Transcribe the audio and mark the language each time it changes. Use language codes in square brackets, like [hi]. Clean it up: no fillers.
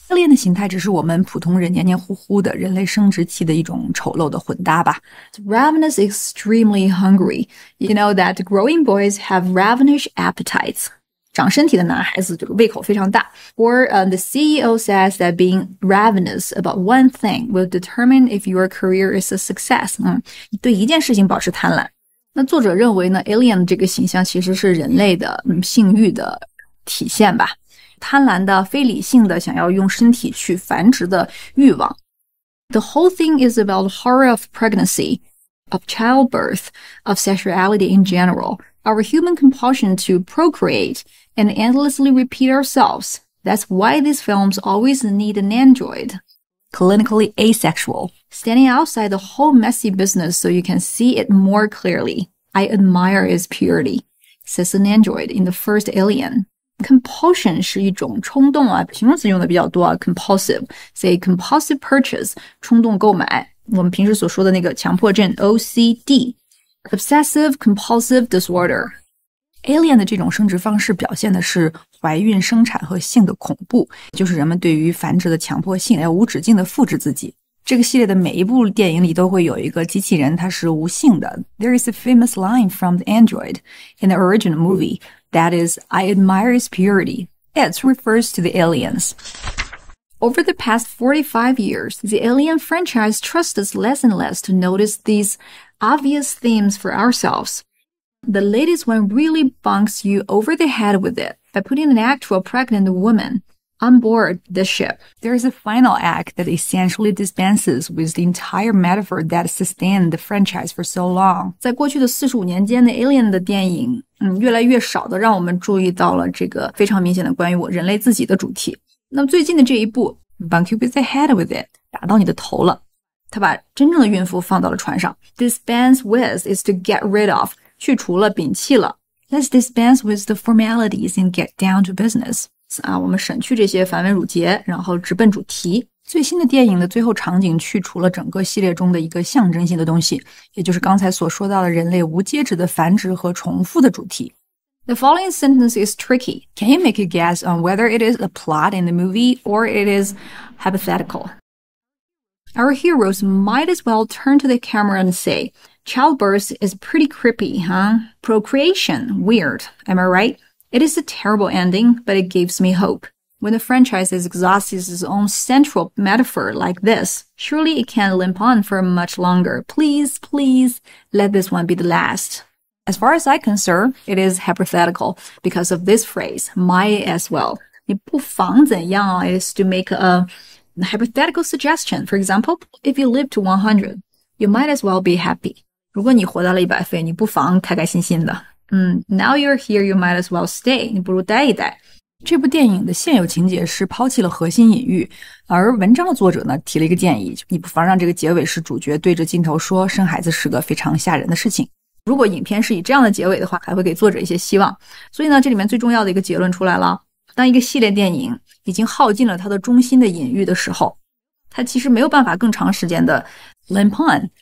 [zh] Alien 的形态只是我们普通人黏黏糊糊的人类生殖器的一种丑陋的混搭吧。 [en] Ravenous extremely hungry. You know that growing boys have ravenous appetites. [zh] 长身体的男孩子这个胃口非常大。 [en] Or the CEO says that being ravenous about one thing will determine if your career is a success. [zh] 对一件事情保持贪婪。那作者认为呢 ,Alien 这个形象其实是人类的性欲的体现吧。贪婪的非理性的想要用身体去繁殖的欲望。 [en] The whole thing is about the horror of pregnancy, of childbirth, of sexuality in general, our human compulsion to procreate and endlessly repeat ourselves. That's why these films always need an android, clinically asexual, standing outside the whole messy business so you can see it more clearly. I admire his purity, says an android in the first Alien. [zh] Compulsion 是一种冲动啊，形容词用的比较多啊 ,compulsive, [en] say compulsive purchase, [zh] 冲动购买。我们平时所说的那个强迫症 ,OCD, [en] obsessive compulsive disorder. [zh] Alien 的这种生殖方式表现的是怀孕生产和性的恐怖，就是人们对于繁殖的强迫性，要无止境的复制自己。这个系列的每一部电影里都会有一个机器人，它是无性的。 [en] There is a famous line from the android in the original movie, that is, I admire its purity. It refers to the aliens. Over the past 45 years, the Alien franchise trusts us less and less to notice these obvious themes for ourselves. The latest one really bonks you over the head with it by putting an actual pregnant woman on board the ship. There is a final act that essentially dispenses with the entire metaphor that sustained the franchise for so long. [zh] 在过去的45年间的 Alien 的电影、越来越少的让我们注意到了这个非常明显的关于我人类自己的主题。那么最近的这一部 [en] Bonk you with the head with it, [zh] 打到你的头了。他把真正的孕妇放到了船上。 [en] Dispense with is to get rid of. [zh] 去除了摒弃了 [en] Let's dispense with the formalities and get down to business. [zh] 啊，我们省去这些繁文缛节，然后直奔主题。最新的电影的最后场景去除了整个系列中的一个象征性的东西，也就是刚才所说到的人类无节制的繁殖和重复的主题。 [en] The following sentence is tricky. Can you make a guess on whether it is a plot in the movie or it is hypothetical? Our heroes might as well turn to the camera and say,Childbirth is pretty creepy, huh? Procreation, weird, am I right? It is a terrible ending, but it gives me hope. When the franchise exhausts its own central metaphor like this, surely it can limp on for much longer. Please, please, let this one be the last. As far as I concern, it is hypothetical because of this phrase, might as well. [zh] 你不妨怎样 [en] is to make a hypothetical suggestion. For example, if you live to 100, you might as well be happy. [zh] 如果你活到了100岁，你不妨开开心心的。 [en] Now you're here, you might as well stay. [zh] 你不如待一待。这部电影的现有情节是抛弃了核心隐喻，而文章的作者呢提了一个建议，你不妨让这个结尾是主角对着镜头说生孩子是个非常吓人的事情。如果影片是以这样的结尾的话，还会给作者一些希望。所以呢，这里面最重要的一个结论出来了，当一个系列电影已经耗尽了它的中心的隐喻的时候，它其实没有办法更长时间的 [en] Limp on.